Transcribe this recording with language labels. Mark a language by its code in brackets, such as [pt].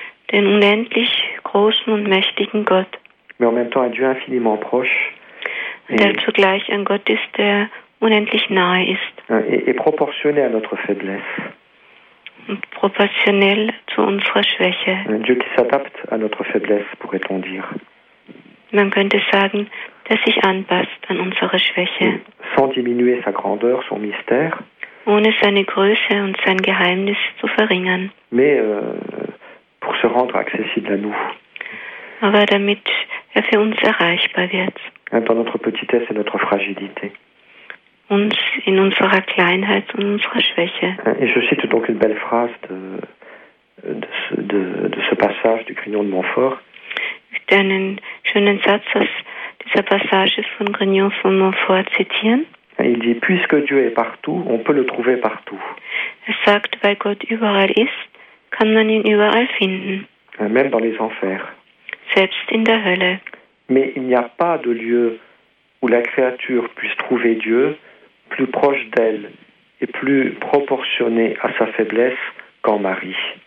[de] Den unendlich großen und mächtigen Gott. [fr] mais en même temps un Dieu infiniment proche. [de] Der zugleich ein Gott ist, der unendlich nahe ist. [fr] Et proportionné à notre faiblesse. [de] Proportionnel zu unserer Schwäche. [fr] Un Dieu qui s'adapte à notre faiblesse, pourrait-on dire. [de] Man könnte sagen, dass sich anpasst an unsere Schwäche. [fr] Et sans diminuer sa grandeur, son mystère. [de] Ohne seine Größe und sein Geheimnis zu verringern. [fr] Mais pour se rendre accessible à nous. [de] Aber damit er für uns erreichbar wird. [fr] Dans notre petitesse et notre fragilité. [de] Uns in unserer Kleinheit und unserer Schwäche. [fr] Et je cite donc une belle phrase de ce passage du Grignon de Montfort. [de] Ich möchte einen schönen Satz aus dieser Passage von Grignon de Montfort zitieren. [fr] Il dit, puisque Dieu est partout, on peut le trouver partout. [de] Er sagt, weil Gott überall ist, kann man ihn überall finden. [fr] Même dans les enfers. [de] Selbst in der Hölle. [fr] Mais il n'y a pas de lieu où la créature puisse trouver Dieu plus proche d'elle et plus proportionné à sa faiblesse qu'en Marie.